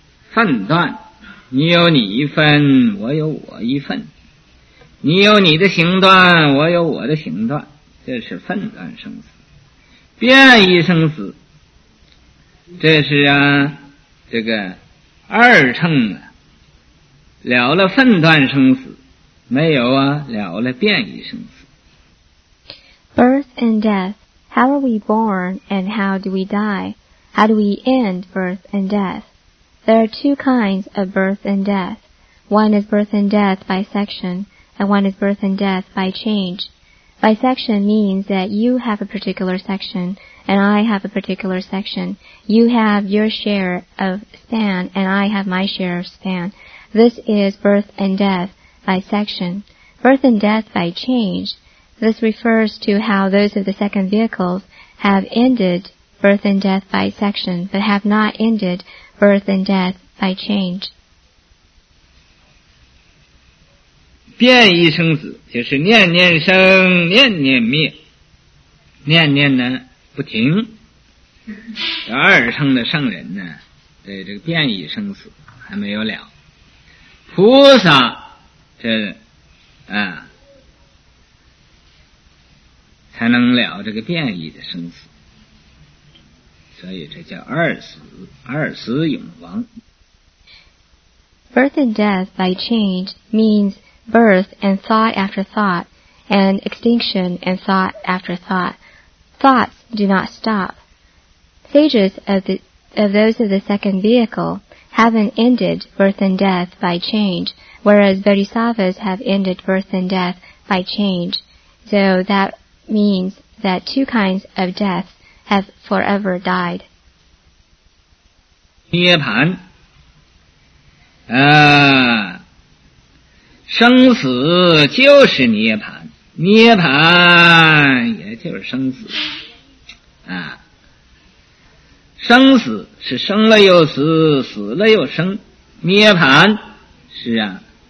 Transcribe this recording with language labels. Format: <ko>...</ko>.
<zh>分段，你有你一份，我有我一份，你有你的形段，我有我的形段，这是分段生死。变异生死，这是啊，这个二乘啊，了了分段生死，没有啊，了了变异生死。</zh> <en>Birth and death, how are we born and how do we die? How do we end birth and death? There are two kinds of birth and death. One is birth and death by section, and one is birth and death by change. By section means that you have a particular section, and I have a particular section. You have your share of span, and I have my share of span. This is birth and death by section. Birth and death by change. This refers to how those of the second vehicles have ended birth and death by section, but have not ended birth and death by change.</en> <zh>变异生死就是念念生，念念灭，念念呢不停。二乘的圣人呢，对这个变异生死还没有了。菩萨这啊，才能了这个变异的生死。所以这叫二死永亡。</zh> <en>Birth and death by change means birth and thought after thought, and extinction and thought after thought. Thoughts do not stop. Sages of those of the second vehicle haven't ended birth and death by change, whereas bodhisattvas have ended birth and death by change. So that means that two kinds of deathhave forever died.</en> <zh>涅槃、啊、生死就是涅槃，涅槃也就是生死、啊、生死是生了又死，死了又生，涅槃是啊</zh>